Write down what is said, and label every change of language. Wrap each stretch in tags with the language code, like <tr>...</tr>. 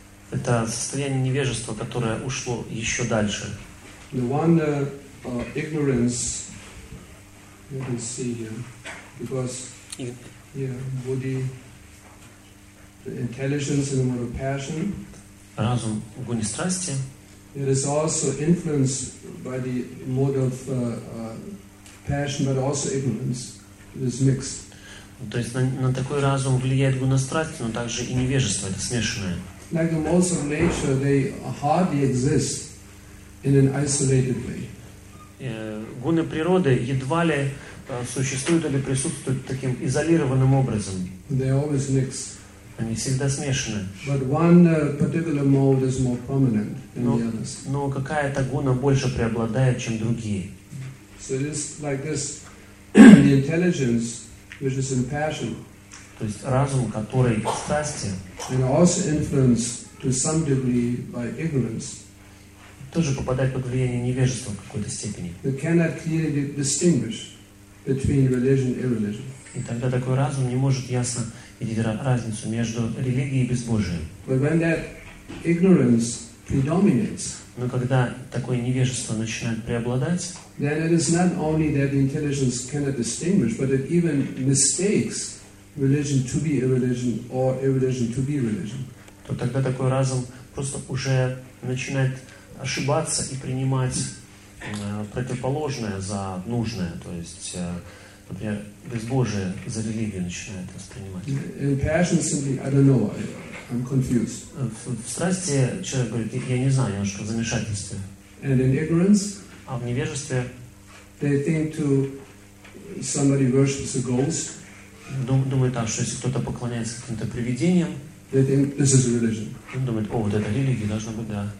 <ru>Это состояние невежества, которое ушло еще дальше.</ru> <en>The one ignorance you can see here, because Buddhi, the intelligence and the mode of passion.</en> <ru>Разум в гуне страсти.</ru> <en>It is also influenced by the mode of passion, but also ignorance. It is mixed.</en> <ru>То есть на такой разум влияет гуна страсти, но также и невежество, это смешанное.</ru> <en>Like the modes of nature, they hardly exist in an isolated way.</en> <ru>Гуны природы едва ли существуют или присутствуют таким изолированным образом.</ru> <en>They always mix.</en> <ru>Они всегда смешаны.</ru> <en>But one particular mode is more prominent than the others.</en> <ru>Но какая-то гуна больше преобладает, чем другие.</ru> <en>So it is like this, the intelligence which is in passion.</en> <ru>То есть разум, который в страсти,</ru> <en>and also influenced to some degree by ignorance,</en> <ru>тоже попадает под влияние невежества в какой-то степени.</ru> <en>You cannot clearly distinguish between religion and irreligion.</en> <ru>И тогда такой разум не может ясно видеть разницу между религией и безбожием.</ru> <en>But when that ignorance predominates,</en> <ru>но когда такое невежество начинает преобладать,</ru> <en>then it is not only that intelligence cannot distinguish, but it even mistakes religion to be irreligion or irreligion to be religion.</en> <ru>То тогда такой разум просто уже начинает ошибаться и принимать противоположное за нужное, то есть, например, безбожие за религию начинает воспринимать.</ru> <en>In passion simply, I don't know, I'm confused.</en> <ru>В страсти человек говорит, я не знаю, я немножко в замешательстве.</ru> <en>And in ignorance,</en> <ru>а в невежестве,</ru> <en>they think to somebody worships a ghost.</en> <ru>Думает так, что если кто-то поклоняется каким-то привидениям, он думает, о, вот это религия, должно быть, да.</ru>